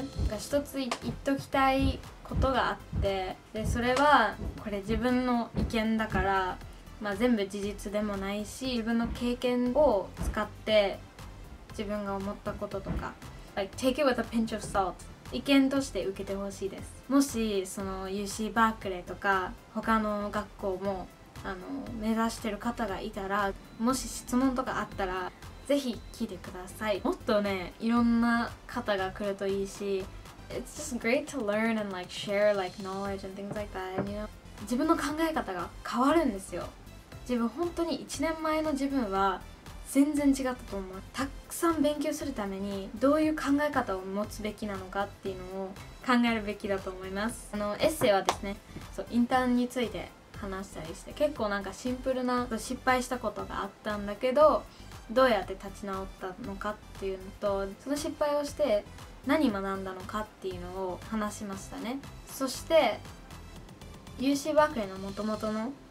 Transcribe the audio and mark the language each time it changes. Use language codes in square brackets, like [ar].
[ja] なんか一つ言っときたいことがあって、でそれはこれ自分の意見だから、まあ、全部事実でもないし、自分の経験を使って自分が思ったこととか、 [en] Like take it with a pinch of salt、 [ja] 意見として受けてほしいです。もしその UC バークレーとか他の学校もあの目指してる方がいたら、もし質問とかあったらぜひ聞いてください。もっとねいろんな方が来るといいし、 [en] It's just great to learn and like share like knowledge and things like that, you know? [ja] 自分の考え方が変わるんですよ。自分本当に1年前の自分は全然違ったと思う。たくさん勉強するためにどういう考え方を持つべきなのかっていうのを考えるべきだと思います。あのエッセイはですね、そうインターンについて話したりして、結構なんかシンプルな失敗したことがあったんだけど、どうやって立ち直ったのかっていうのと、その失敗をして何学んだのかっていうのを話しましたね。そして UC バークレーの元々の